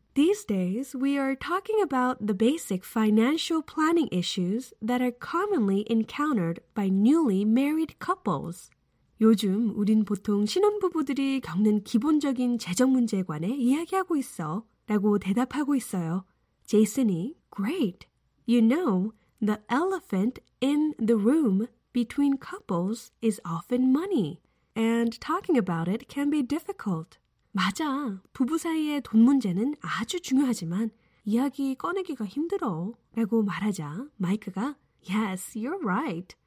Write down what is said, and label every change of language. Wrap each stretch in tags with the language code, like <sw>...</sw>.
<en>These days, we are talking about the basic financial planning issues that are commonly encountered by newly married couples.</en> <ko>요즘 우린 보통 신혼부부들이 겪는 기본적인 재정 문제에 관해 이야기하고 있어 라고 대답하고 있어요. 제이슨이</ko> <en>Great! You know, the elephant in the room between couples is often money. And talking about it can be difficult.</en> <ko>맞아, 부부 사이의 돈 문제는 아주 중요하지만 이야기 꺼내기가 힘들어 라고 말하자 마이크가</ko> <en>Yes, you're right!</en>